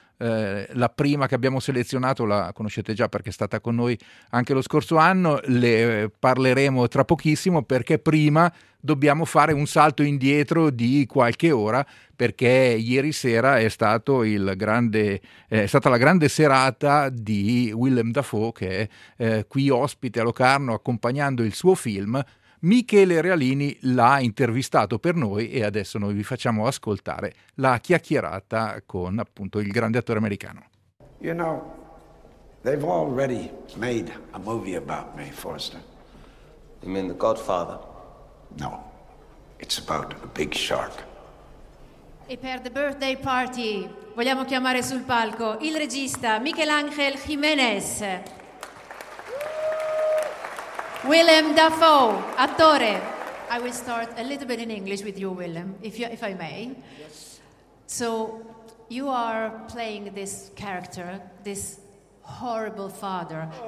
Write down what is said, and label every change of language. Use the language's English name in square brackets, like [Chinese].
[Italian] La prima che abbiamo selezionato la conoscete già perché è stata con noi anche lo scorso anno, le parleremo tra pochissimo, perché prima dobbiamo fare un salto indietro di qualche ora, perché ieri sera è stata la grande serata di Willem Dafoe, che è qui ospite a Locarno accompagnando il suo film. Michele Realini l'ha intervistato per noi e adesso noi vi facciamo ascoltare la chiacchierata con appunto il grande attore americano. [English] You know, they've already made a movie about me, Forrester. You mean The Godfather? No, it's about a big shark. [Italian] E per The Birthday Party vogliamo chiamare sul palco il regista Michelangel Jimenez. Willem Dafoe, attore. [English] I will start a little bit in English with you, Willem, if I may. Yes. So, you are playing this character, this horrible father.